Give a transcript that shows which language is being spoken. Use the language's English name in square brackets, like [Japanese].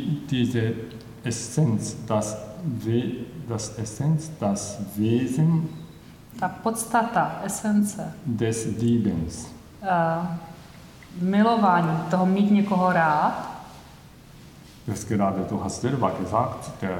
[German] Diese Essenz, das Essenz, das Wesen, [Czech] ta podstata, esence [German] des Liebens, [Czech] milování, toho mít někoho rád, [German] das gerade du hast selber gesagt,